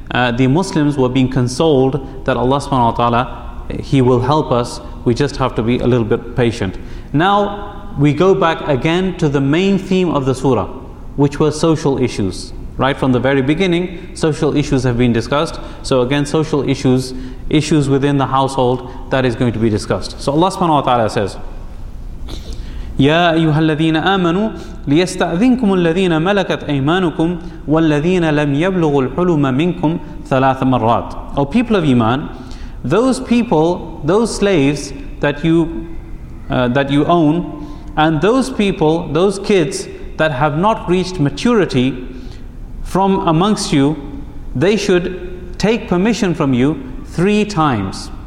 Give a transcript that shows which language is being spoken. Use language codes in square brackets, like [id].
[en] The Muslims were being consoled that Allah subhanahu wa ta'ala, He will help us, we just have to be a little bit patient. Now, we go back again to the main theme of the surah, which were social issues. Right from the very beginning, social issues have been discussed. So again, social issues, issues within the household, that is going to be discussed. So Allah subhanahu wa ta'ala says, [ar] يَا أَيُّهَا الَّذِينَ آمَنُوا لِيَسْتَأْذِنْكُمُ الَّذِينَ مَلَكَتْ أَيْمَانُكُمْ وَالَّذِينَ لَمْ يَبْلُغُوا الْحُلُمَ مِنْكُمْ ثَلَاثَ مَرَّاتٍ. [en] O people of Iman, those people, those slaves that you own, and those people, those kids that have not reached maturity from amongst you, they should take permission from you three times.